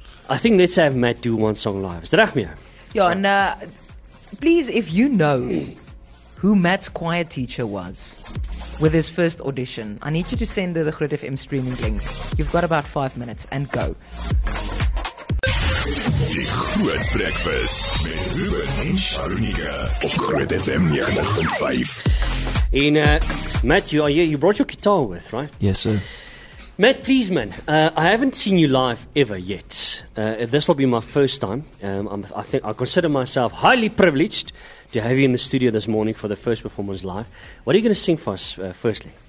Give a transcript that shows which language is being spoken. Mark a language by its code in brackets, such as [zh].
[en] I think let's have Matt do one song live. Zdrahmia. Yeah, and please, if you know who Matt's choir teacher was with his first audition, I need you to send the Groot FM streaming link. You've got about 5 minutes and go. [af] Die Groot Breakfast met Ruben en Sharunika op Groot FM 90.5. [en] In Matt, you are here. You brought your guitar with, right? Yes, sir. Matt, please, man. I haven't seen you live ever yet. This will be my first time. I consider myself highly privileged to have you in the studio this morning for the first performance live. What are you going to sing for us, firstly?